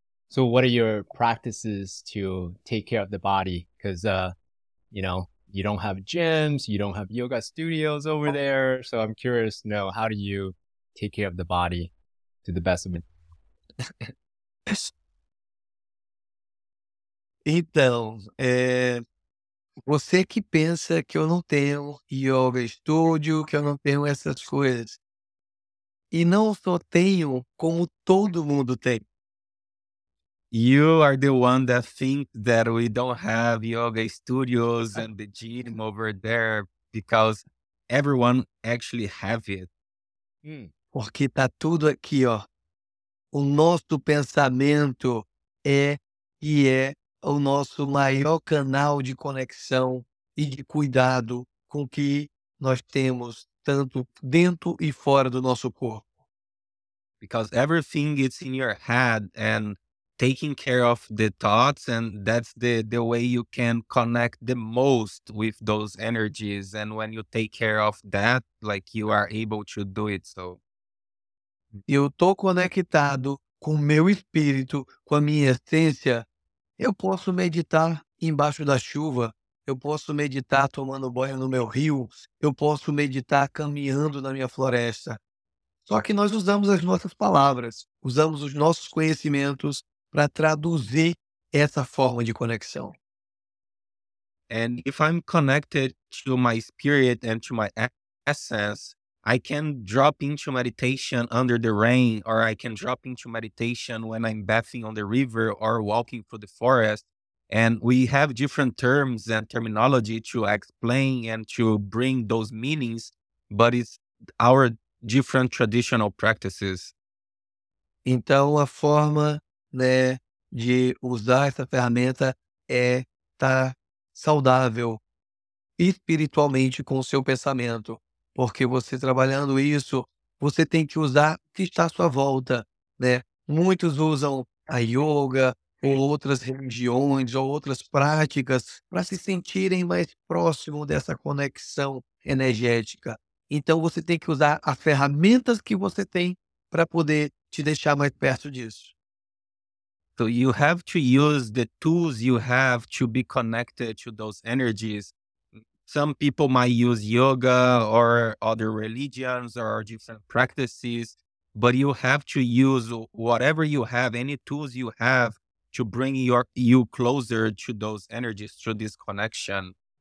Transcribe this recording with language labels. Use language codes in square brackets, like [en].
[en] So what are your practices to take care of the body? Because, you know, you don't have gyms, you don't have yoga studios over there. So I'm curious to know, how do you take care of the body to the best of it? [pt] Então, você que pensa que eu não tenho yoga studio, que eu não tenho essas coisas. E não só tenho, como todo mundo tem. [en] You are the one that thinks that we don't have yoga studios and the gym over there, because everyone actually have it. [pt] Porque tá tudo aqui, ó. O nosso pensamento é o nosso maior canal de conexão e de cuidado com o que nós temos, tanto dentro e fora do nosso corpo. [en] Because everything is in your head, and taking care of the thoughts, and that's the way you can connect the most with those energies. And when you take care of that, like, you are able to do it. So [pt] eu estou conectado com o meu espírito, com a minha essência, eu posso meditar embaixo da chuva, eu posso meditar tomando banho no meu rio, eu posso meditar caminhando na minha floresta. Só que nós usamos as nossas palavras, usamos os nossos conhecimentos para traduzir essa forma de conexão. [en] And if I'm connected to my spirit and to my essence, I can drop into meditation under the rain, or I can drop into meditation when I'm bathing on the river or walking through the forest. And we have different terms and terminology to explain and to bring those meanings, but it's our different traditional practices. [pt] Então, a forma, né, de usar essa ferramenta é estar saudável espiritualmente com o seu pensamento. Porque você trabalhando isso, você tem que usar o que está à sua volta, né? Muitos usam a yoga ou outras religiões ou outras práticas para se sentirem mais próximo dessa conexão energética. Então, você tem que usar as ferramentas que você tem para poder te deixar mais perto disso. [en] So you have to use the tools you have to be connected to those energies. Some people might use yoga or other religions or different practices, but you have to use whatever you have, any tools you have, to bring you closer to those energies, to this connection.